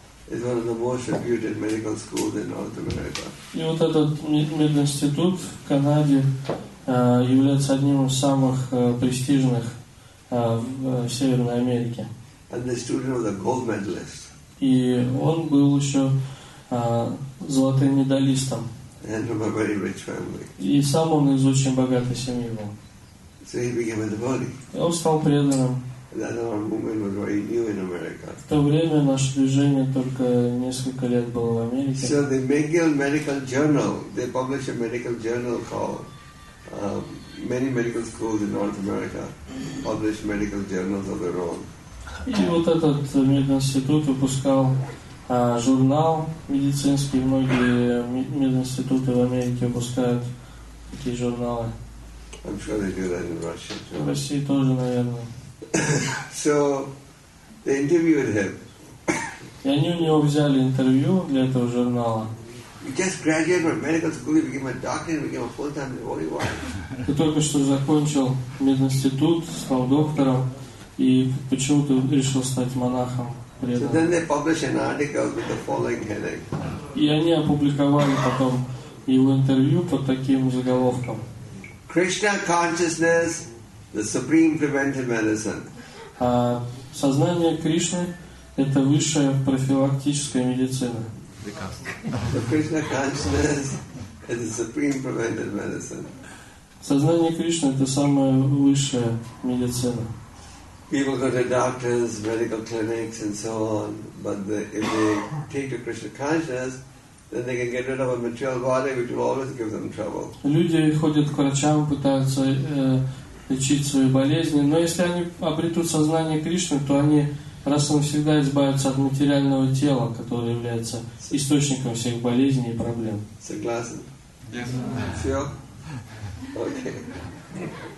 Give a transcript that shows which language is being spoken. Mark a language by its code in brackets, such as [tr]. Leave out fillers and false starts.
[ru] И вот этот мединститут в Канаде является одним из самых престижных в Северной Америке. [en] And the student was a gold medalist. [ru] И он был еще золотым медалистом. [en] And from a very rich family. [ru] И сам он из очень богатой семьи был. [en] So he became a devotee. [ru] Он стал преданным. [en] That our movement was very new in America. [ru] В то время наше движение только несколько лет было в Америке. [en] So the McGill Medical Journal, they published a medical journal called many medical schools in North America published medical journals of their own. [ru] И вот этот мединститут выпускал журнал медицинский. Многие мединституты в Америке выпускают такие журналы. [en] I'm sure they do that in Russia too. [ru] В России тоже, наверное. [en] So they interviewed him. [ru] И они у него взяли интервью для этого журнала. [en] He just graduated from medical school, he became a doctor, he became a full-time devotee. [ru] Ты только что закончил мединститут, стал доктором, и почему ты решил стать монахом? [en] So then they published an article with the following heading. [ru] И они опубликовали потом его интервью под таким заголовком. [en] Krishna consciousness, the supreme preventive medicine. [ru] Сознание Кришны – это высшая профилактическая медицина. [en] So Krishna consciousness is the supreme preventive medicine. [ru] Сознание Кришны – это самая высшая медицина. [en] People go to doctors, medical clinics, and so on, but if they take to Krishna consciousness, then they can get rid of a material body, which will always give them trouble. [ru] Люди ходят к врачам, пытаются лечить свои болезни, но если они обретут сознание Кришны, то они раз и навсегда избавятся от материального тела, которое является источником всех болезней и проблем. Согласен? [en] Yes. [ru] Все? Окей.